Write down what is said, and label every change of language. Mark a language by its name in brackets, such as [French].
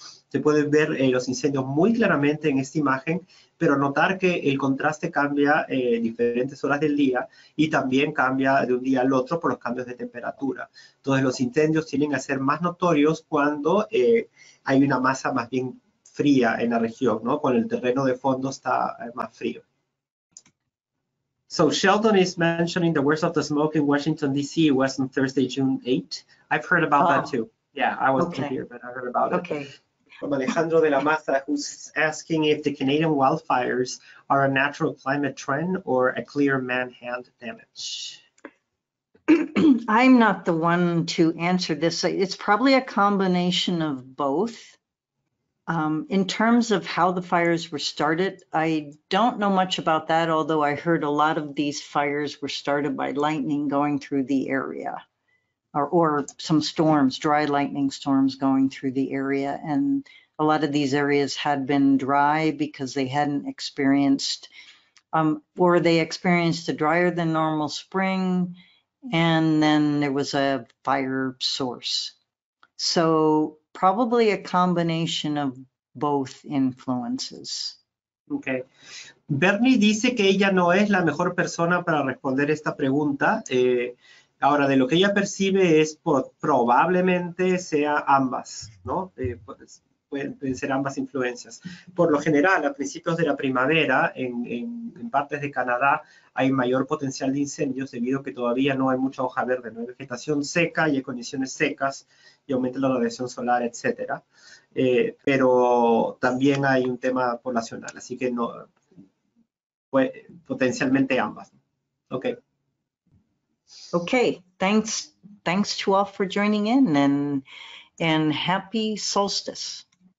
[Spanish] Se pueden ver los incendios muy claramente en esta imagen, pero notar que el contraste cambia diferentes horas del día y también cambia de un día al otro por los cambios de temperatura. Entonces, los incendios tienden a ser más notorios cuando hay una masa más bien fría en la región, ¿no? Cuando el terreno de fondo está más frío. [English] So Sheldon is mentioning the worst of the smoke in Washington, D.C. was on Thursday, June 8th. I've heard about that too. Yeah, I wasn't here, but I heard about it. From Alejandro de la Maza, who's asking if the Canadian wildfires are a natural climate trend or a clear man-hand damage. I'm not the one to answer this. It's probably a combination of both. In terms of how the fires were started, I don't know much about that, although I heard a lot of these fires were started by lightning going through the area. Or some storms, dry lightning storms going through the area. And a lot of these areas had been dry because they hadn't experienced, or they experienced a drier than normal spring, and then there was a fire source. So probably a combination of both influences. Okay. [Spanish] Bernie dice que ella no es la mejor persona para responder esta pregunta. Ahora, de lo que ella percibe es probablemente sea ambas, ¿no? Pueden ser ambas influencias. Por lo general, a principios de la primavera, en partes de Canadá, hay mayor potencial de incendios debido a que todavía no hay mucha hoja verde, no hay vegetación seca y hay condiciones secas y aumenta la radiación solar, etc. Pero también hay un tema poblacional, así que no, pues, potencialmente ambas. Ok. [English] Ok, thanks to all for joining in and happy solstice.